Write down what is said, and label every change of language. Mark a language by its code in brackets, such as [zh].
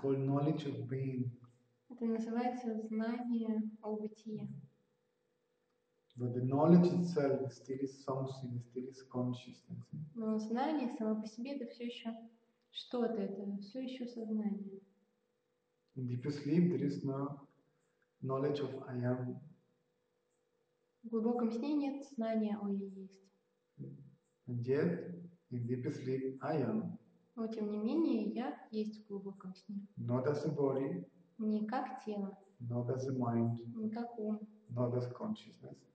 [en] called knowledge of being. [ru] Это называется знание о бытии. [en] But the knowledge itself still is something, still is consciousness. [ru] Но знание само по себе это все еще что-то, это все еще сознание. [en] In deep sleep there is no knowledge of I am. [ru] В глубоком сне нет знания о я есть. [en] And yet in deep sleep I am. [ru] Но тем не менее я есть в глубоком сне. [en] Not as a body. [ru] Не как тело. [en] Not as a mind. [ru] Не как ум. [en] Not as consciousness.